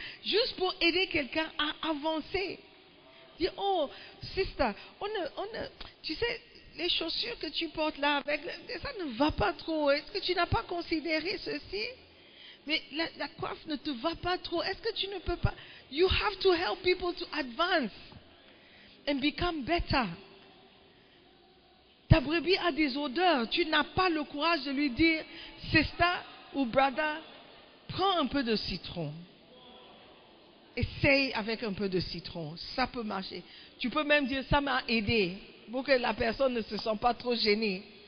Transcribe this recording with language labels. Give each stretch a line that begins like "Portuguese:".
French: Juste pour aider quelqu'un à avancer. Dis, oh, sister, tu sais, les chaussures que tu portes là, avec, ça ne va pas trop. Est-ce que tu n'as pas considéré ceci? Mais la coiffe ne te va pas trop. Est-ce que tu ne peux pas...
English: You have to help people to advance and become better.
French: Ta brebis a des odeurs. Tu n'as pas le courage de lui dire, sister ou brother, prends un peu de citron. Essaye avec un peu de citron. Ça peut marcher. Tu peux même dire, ça m'a aidé, pour que la personne ne se sente pas trop gênée.